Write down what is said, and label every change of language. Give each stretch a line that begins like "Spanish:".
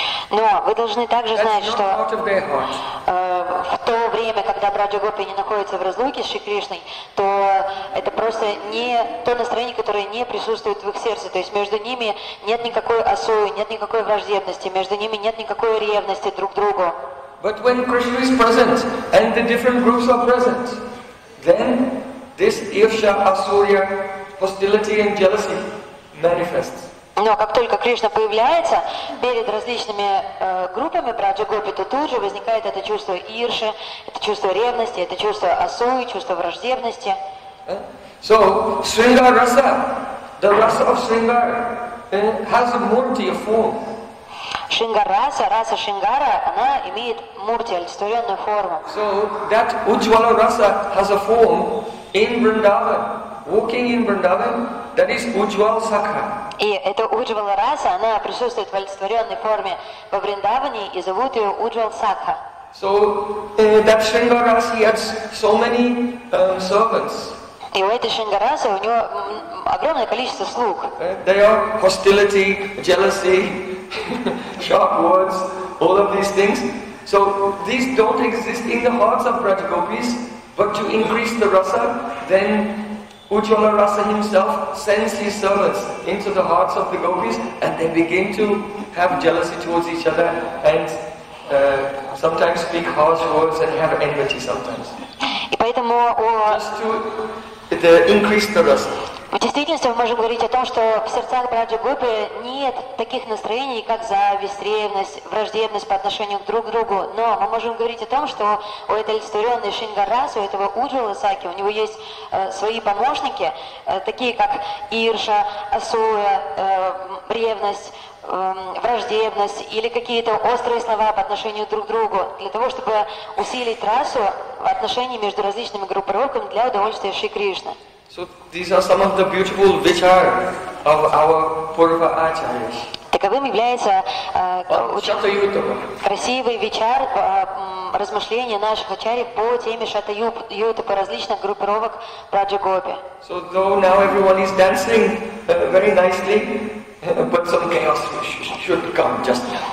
Russian: Но вы должны также знать, что в то время, когда Браджа-гопи не находится в разлуке с Шри-Кришной, то это просто не то настроение, которое не присутствует в их сердце. То есть между ними нет никакой осуи, нет никакой враждебности, между ними нет никакой ревности друг к другу.
English: But when Krishna is present and the different groups are present, then this irsha, asuya, hostility and jealousy manifests.
Russian: Но как только Кришна появляется перед различными группами Браджа-гопи, то тут же возникает это чувство ирши, это чувство ревности, это чувство осуи, чувство враждебности.
English: So, Sringara rasa, the rasa of Sringara, has a murti, a form.
Russian: Шингараса, раса Шингара, она имеет мурти, олицетворенную форму.
English: So, that Ujjvala rasa has a form in Vrindavan. Walking in Vrindavan, that is Ujjvala Sakha.
Russian: И эта Ujjvala rasa, она присутствует в олицетворенной форме во Вриндаване и зовут ее Ujjvala Sakha.
English: So, that Shringara rasa, he has so many servants.
Russian: И у этой Шингарасы, у него огромное количество слуг.
English: They are hostility, jealousy, sharp words, all of these things. So, these don't exist in the hearts of Brajagopis, but to increase the rasa, then Ujjvala rasa himself sends his servants into the hearts of the gopis and they begin to have jealousy towards each other and sometimes speak harsh words and have enmity sometimes. Just to increase the rasa.
Russian: В действительности мы можем говорить о том, что в сердцах Браджа-гопи нет таких настроений, как зависть, ревность, враждебность по отношению друг к другу. Но мы можем говорить о том, что у этой олицетворенной Шингарасы, у этого Ujjvala Sakhi, у него есть свои помощники, такие как ирша, асуя, ревность, враждебность или какие-то острые слова по отношению друг к другу, для того, чтобы усилить расу в отношении между различными группировками для удовольствия Шри Кришны.
English: So these are some of the beautiful vichar of our Purva Acharyas.
Russian: Таковым является Шатаютапа. Красивый вечер размышления наших ачарьев по теме Шатаютапа различных группировок Браджа-гопи.
English: So though now everyone is dancing very nicely, but some chaos should come just now.